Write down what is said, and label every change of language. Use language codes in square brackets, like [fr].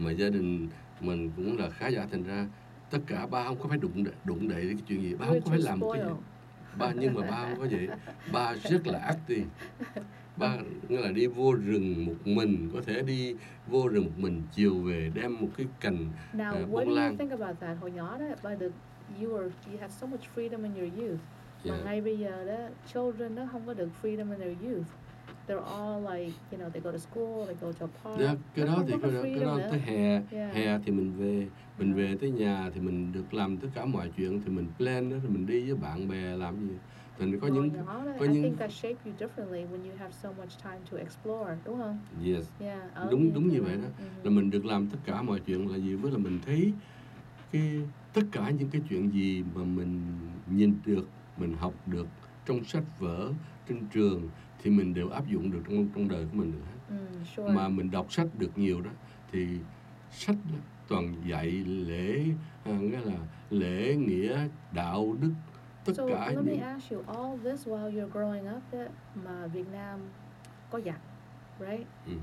[vi] mà gia đình mình cũng là khá giả, thành ra tất cả ba không có phải đụng đệ cái chuyện gì, ba không có phải làm cái gì. Ba nhưng mà ba không có vậy. Ba rất là active. Ba nghĩa là đi vô rừng một mình, có thể đi vô rừng một mình chiều về đem một cái cành bông lan. [en] Now what do you think about that? [vi] Hồi nhỏ đó, [en] by the you had so much freedom in your youth. Yeah. [vi] Mà ngay bây giờ đó, children nó không có được [en] freedom in their youth. They're all like, you know, they go to school, they go to a park. [vi] Yeah, cái đó thì cái đó tới hè, [en] yeah, [vi] hè thì mình về tới nhà thì mình được làm tất cả mọi chuyện, thì mình plan đó, thì mình đi với bạn bè làm gì. Thì có những [en] oh, [vi] no, có những [en] I think that shape you differently when you have so much time to explore, [vi] đúng không? [en] Yes. Yeah. [vi] Đúng [en] yeah, [vi] đúng [en] yeah, [vi] như vậy đó. Mm-hmm. Là mình được làm tất cả mọi chuyện là gì, với là mình thấy cái tất cả những cái chuyện gì mà mình nhìn được, mình học được trong sách vở, trên trường thì mình đều áp dụng được trong trong đời của mình được hết. Mà mình đọc sách được nhiều đó thì sách đó toàn dạy lễ, nghĩa là lễ nghĩa đạo đức tất [en] so [vi] cả let những... [en] me ask you all this while you're growing up that [vi] mà Việt Nam có dạy, [en] right?